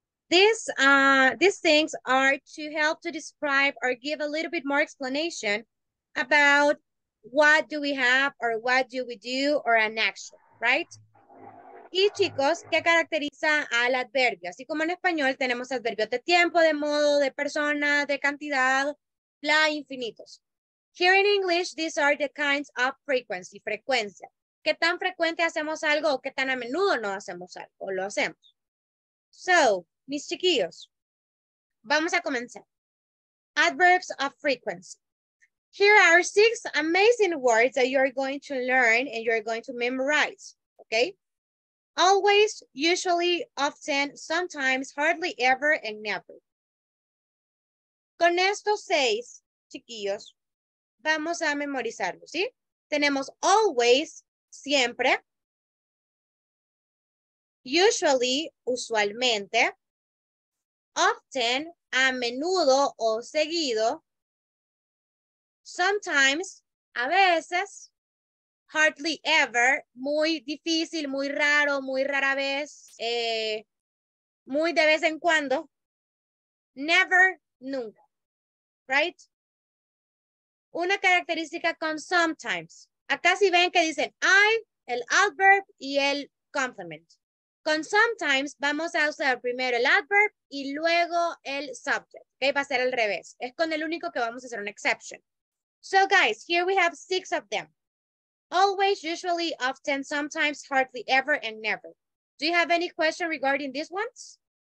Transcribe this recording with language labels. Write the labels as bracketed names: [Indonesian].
[English] These things are to help to describe or give a little bit more explanation about what do we have or what do we do or an action, right? [Spanish] Y chicos, ¿qué caracteriza al adverbio? Así como en español tenemos adverbios de tiempo, de modo, de persona, de cantidad, bla, infinitos. [English] Here in English, these are the kinds of frequency, frecuencia. [Spanish] ¿Qué tan frecuente hacemos algo o qué tan a menudo no hacemos algo o lo hacemos? So, mis chiquillos, vamos a comenzar. [English] Adverbs of frequency. Here are six amazing words that you are going to learn and you are going to memorize, okay? Always, usually, often, sometimes, hardly ever, and never. [Spanish] Con estos seis, chiquillos, vamos a memorizarlos, ¿sí? Tenemos always, siempre, usually, usualmente, often, a menudo o seguido. Sometimes, a veces. Hardly ever, muy difícil, muy raro, muy rara vez. Muy de vez en cuando. Never, nunca. [English] Right? [Spanish] Una característica con sometimes. Acá sí ven que dicen I, el adverb y el complement. Con sometimes vamos a usar primero el adverb y luego el subject. Okay, va a ser al revés. Es con el único que vamos a hacer una exception. [English] So, guys, here we have six of them. Always, usually, often, sometimes, hardly ever, and never. Do you have any question regarding these ones?